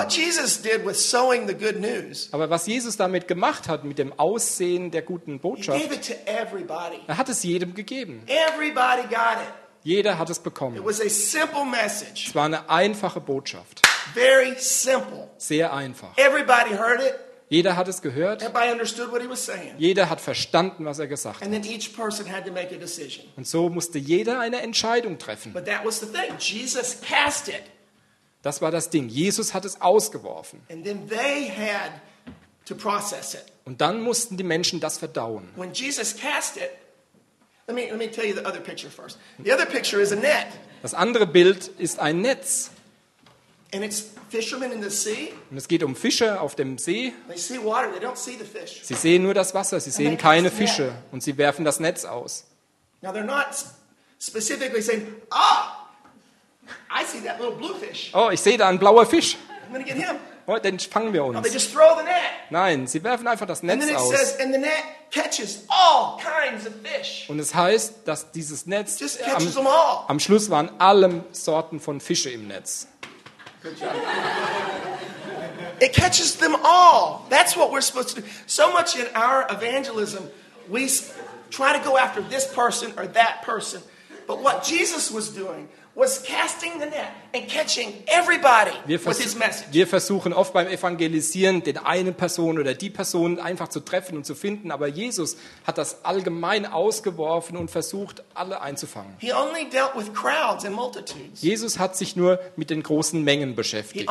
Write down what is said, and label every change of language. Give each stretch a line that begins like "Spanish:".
English: But what Jesus did was sowing the good news.
German: Aber was Jesus damit gemacht hat, mit dem Aussehen der guten Botschaft, er hat es jedem gegeben.
English: Everybody got it.
German: Jeder hat es bekommen.
English: It was a simple message.
German: Es war eine einfache Botschaft.
English: Very simple.
German: Sehr einfach.
English: Everybody heard it.
German: Jeder hat es gehört.
English: Everybody understood what he was saying.
German: Jeder hat verstanden, was er gesagt
English: and
German: hat.
English: Then each person had to make a decision.
German: Und so musste jeder eine Entscheidung treffen.
English: But that was the thing. Jesus cast it.
German: Das war das Ding. Jesus hat es ausgeworfen.
English: And then they had to process it.
German: Und dann mussten die Menschen das verdauen.
English: When Jesus cast it, Let me tell you the other picture first. The other picture is a net.
German: Das andere Bild ist ein Netz.
English: And it's fishermen in the sea.
German: Und es geht um Fische auf dem See.
English: They see water, they don't see the fish.
German: Sie sehen nur das Wasser, sie sehen keine Fische und sie werfen das Netz aus.
English: Now they're not specifically saying, "Ah, I see that little blue fish."
German: Oh, ich sehe da einen blauen Fisch.
English: I'm gonna get him.
German: Dann fangen wir uns.
English: They just throw the net.
German: Nein, sie werfen einfach das Netz aus.
English: Says, and the net catches all kinds of fish.
German: Und es heißt, dass dieses Netz
English: just catches them all.
German: Am Schluss waren alle Sorten von Fische im Netz.
English: It catches them all. That's what we're supposed to do. So much in our evangelism, we try to go after this person or that person. But what Jesus was doing was casting the net and catching everybody with his message.
German: Wir versuchen oft beim Evangelisieren, den einen Person oder die Person einfach zu treffen und zu finden. Aber Jesus hat das allgemein ausgeworfen und versucht, alle einzufangen.
English: He only dealt with crowds and multitudes.
German: Jesus hat sich nur mit den großen Mengen beschäftigt.